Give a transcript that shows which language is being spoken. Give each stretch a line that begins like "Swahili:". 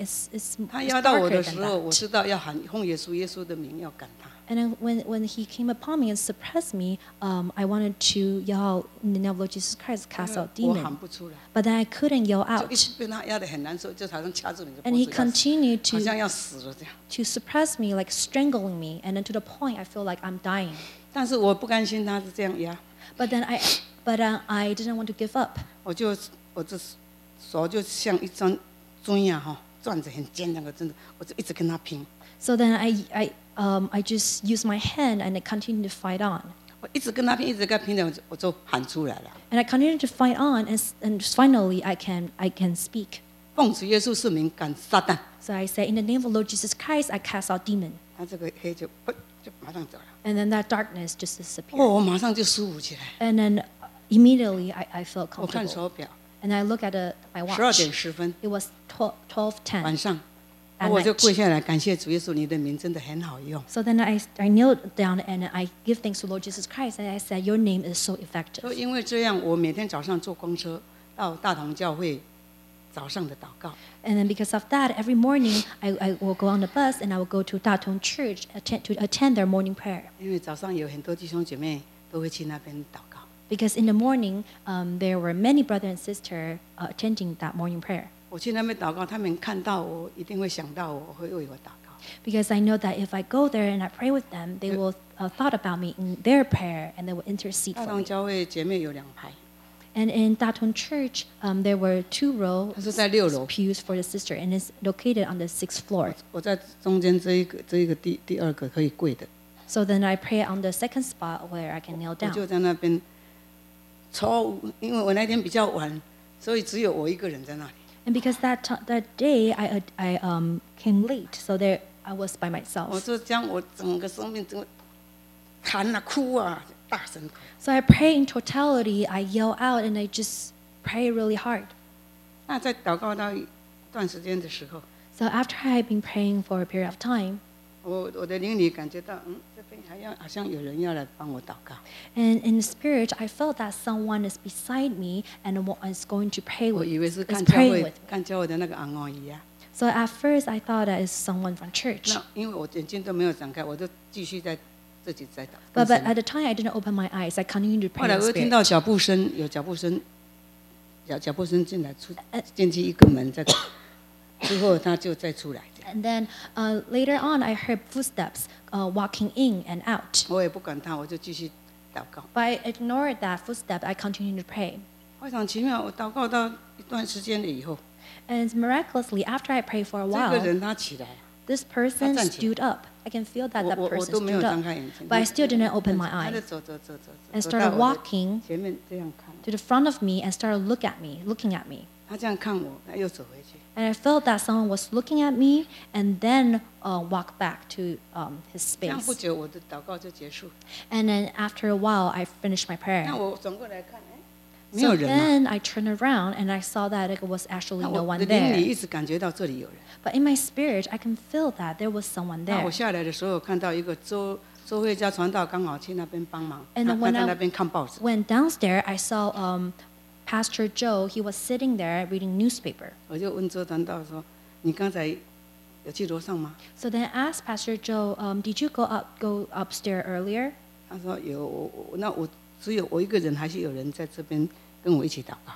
English: It's.
Chinese: 他压到我的时候，我知道要喊奉耶稣耶稣的名要赶他。
English: And then when he came upon me and suppressed me, I wanted to yell in the name of Jesus Christ, cast out demon. But then I couldn't yell out. And he continued to suppress me, like strangling me. And then to the point, I feel like I'm dying. But I didn't want to give up.
Chinese: 我就手就像一张钟一样钻子很尖的，我真的，我就一直跟他拼。
English: So then I just use my hand and I continue to fight on.
Chinese: 我一直跟他拼，一直跟他拼的，我就喊出来了。
English: And I continue to fight on, and finally I can speak.
Chinese: 奉主耶稣圣名赶撒旦。
English: So I say, in the name of Lord Jesus Christ, I cast out demon.
Chinese: 他这个黑就马上走了。
English: And then that darkness just disappeared.
Chinese: 哦，我马上就舒服起来。
English: And then immediately I felt comfortable.
Chinese: 我看手表。
English: And I look at my watch. 12:10. It was 12:10.
Chinese: 晚上，我就跪下来感谢主耶稣，你的名真的很好用。
English: So then I kneeled down and I give thanks to Lord Jesus Christ and I said, Your name is so effective.
Chinese: 因为这样，我每天早上坐公车到大同教会早上的祷告。
English: And then because of that, every morning I will go on the bus and I will go to Da Tong Church to attend their morning prayer.
Chinese: 因为早上有很多弟兄姐妹都会去那边祷告。
English: Because in the morning, there were many brothers and sisters attending that morning prayer.
Chinese: 我去那边祷告，他们看到我，一定会想到我会为我祷告。
English: Because I know that if I go there and I pray with them, they will thought about me in their prayer and they will intercede for me.
Chinese: 大同教会姐妹有两排。
English: And in Da Tong Church, there were two rows.
Chinese: 它是在六楼。
English: Pews for the sister, and it's located on the sixth floor.
Chinese: 我在中间这一个第二个可以跪的。
English: So then I pray on the second spot where I can kneel down.
Chinese: 我就在那边。因为我那天比较晚，所以只有我一个人在那里。
English: And because that day I came late, so there I was by myself.
Chinese: 我就将我整个生命整个喊啊哭啊，大声。
English: So I pray in totality. I yell out and I just pray really hard.
Chinese: 那在祷告到一段时间的时候
English: ，So after I had been praying for a period of time.
Chinese: 我的灵里感觉到，这边好像有人要来帮我祷告。
English: And in the spirit, I felt that someone is beside me and is going to pray with.
Chinese: 我以为是看教会，看教会的那个昂昂姨啊。
English: So at first, I thought that it's someone from church.
Chinese: 那因为我眼睛都没有展开，我就继续在自己在祷。
English: But at the time, I didn't open my eyes. I continued to pray.
Chinese: 后来我听到脚步声，有脚步声，脚步声进来出进去一个门，在之后他就再出来。
English: And then later on, I heard footsteps walking in and out.
Chinese: 我也不管他，我就继续祷告。
English: But I ignored that footstep. I continued to pray.
Chinese: 非常奇妙，我祷告到一段时间了以后。
English: And miraculously, after I prayed for a while,
Chinese: 这个人他起来。
English: This person stood up. I can feel that that person stood up.
Chinese: 我都没有张开眼睛。
English: But I still didn't open my eyes.
Chinese: 他就走。
English: And started walking
Chinese: 前面这样看
English: to the front of me and started looking at me.
Chinese: 他这样看我，他又走回去。
English: And I felt that someone was looking at me and then walked back to his space.
Chinese: 这样不久我的祷告就结束。
English: And then after a while, I finished my prayer.
Chinese: 那我转过来看，没有人啊。
English: So then I turned around and I saw that it was actually no one there.
Chinese: 我的灵里一直感觉到这里有人。
English: But in my spirit, I can feel that there was someone there.
Chinese: 那我下来的时候看到一个周慧佳传道刚好去那边帮忙，他在那边看报纸。
English: And when I went downstairs, I saw Pastor Joe, he was sitting there reading newspaper.
Chinese: 我就问周传道说，你刚才有去楼上吗？
English: So then I asked Pastor Joe, did you go upstairs earlier?
Chinese: 他说有，那我只有我一个人，还是有人在这边跟我一起祷告？